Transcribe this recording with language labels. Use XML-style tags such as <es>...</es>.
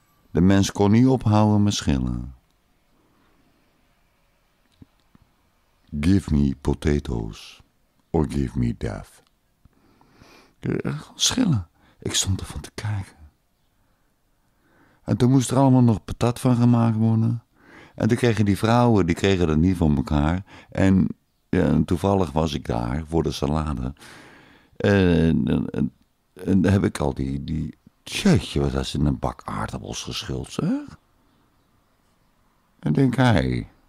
<nl>De mens kon niet ophouden met schillen.</nl> <en>Give me potatoes or give me death.</en> <nl>Schillen. Ik stond ervan te kijken. En toen moest er allemaal nog patat van gemaakt worden. En toen kregen die vrouwen, die kregen dat niet van elkaar. En ja, toevallig was ik daar voor de salade. En dan heb ik al die tjeetje, wat is in een bak aardappels geschild, zeg. En denk hij.</nl>